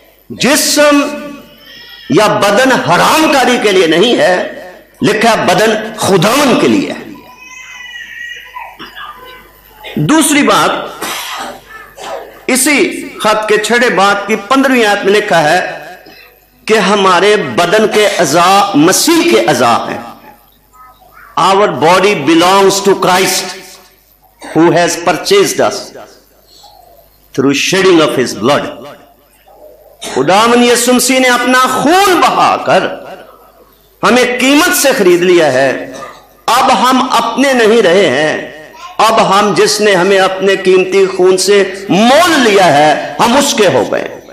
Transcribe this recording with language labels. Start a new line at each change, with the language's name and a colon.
Urdu: جسم یا بدن حرام کاری کے لیے نہیں ہے, لکھا بدن خداوند کے لیے. دوسری بات اسی خط کے 6 باب کی 15ویں آیت میں لکھا ہے کہ ہمارے بدن کے اعضاء مسیح کے اعضاء ہیں.
English: Our body belongs to Christ who has purchased us through shedding of his blood.
Urdu: خداوند یسوع مسیح نے اپنا خون بہا کر ہمیں قیمت سے خرید لیا ہے. اب ہم اپنے نہیں رہے ہیں, اب ہم جس نے ہمیں اپنے قیمتی خون سے مول لیا ہے ہم اس کے ہو گئے.